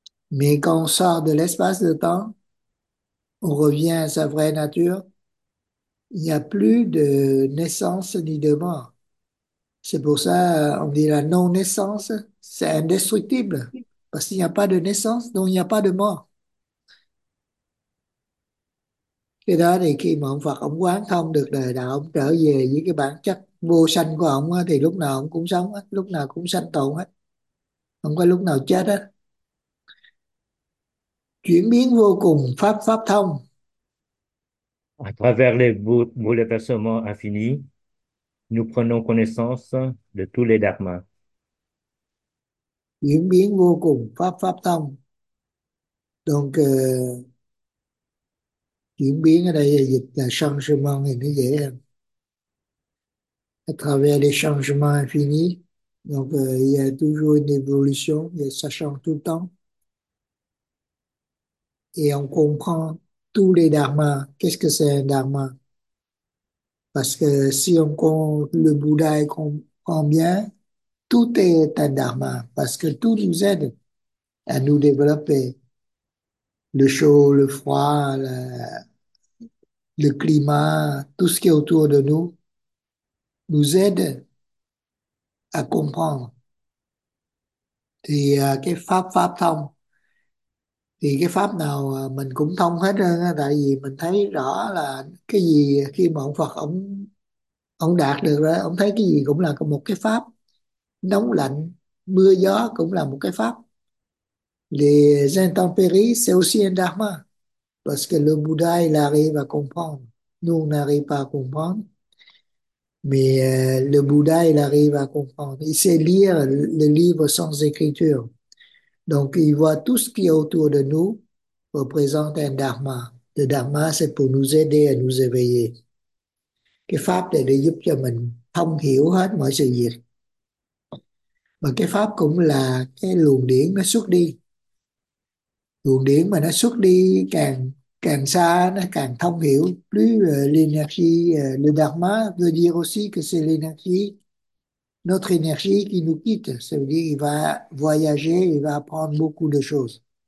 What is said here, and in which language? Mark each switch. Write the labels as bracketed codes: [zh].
[fr] Mais quand on sort de l'espace et le temps, on revient à sa vraie nature. Il n'y a plus de naissance ni de mort. C'est pour ça qu'on dit la non-naissance, c'est indestructible. Parce qu'il n'y a pas de naissance, donc il n'y a pas de mort. [vi] Cái đó thì khi mà ông Phật ông quán thông được đời đạo, ông trở về với cái bản chất vô sanh của ông, thì lúc nào ông cũng sống, lúc nào cũng sanh tồn hết. Không có lúc nào chết hết. Chuyển biến vô cùng, pháp pháp thông. [fr] À travers les bouleversements infinis, nous prenons connaissance de tous les dharmas. [vi] Diễn biến vô cùng pháp pháp tông. Donc diễn biến ở đây là dịch là sân sư mong thì nó dễ hơn. [fr] À travers les changements infinis, donc il y a toujours une évolution, et ça change tout le temps. Et on comprend tous les dharmas. Qu'est-ce que c'est un dharma? Parce que si on compte le Bouddha et qu'on comprend bien, tout est un dharma, parce que tout nous aide à nous développer. Le chaud, le froid, le climat, tout ce qui est autour de nous nous aide à comprendre. [vi] Thì cái pháp pháp thông, thì cái pháp nào mình cũng thông hết trơn, tại vì mình thấy rõ là cái gì khi mà ông Phật ông đạt được rồi, ông thấy cái gì cũng là một cái pháp. Nóng lạnh mưa gió cũng là một cái pháp. [fr] Les intempéries, c'est aussi un dharma. Parce que le Bouddha, il arrive à comprendre. Nous, on n'arrive pas à comprendre. Mais le Bouddha, il arrive à comprendre. Il sait lire le livre sans écriture. Donc, il voit tout ce qui est autour de nous représente un dharma. Le dharma, c'est pour nous aider à nous éveiller. [vi] Cái pháp này để giúp cho mình thông hiểu hết mọi sự việc. Mà cái pháp cũng là cái luồng điển nó xuất đi. Luồng điển mà nó xuất đi càng càng xa, nó càng thông hiểu. [fr] Le dharma veut dire aussi que c'est l'énergie, notre énergie qui nous quitte. Ça veut dire qu'il va voyager, il va apprendre beaucoup de choses.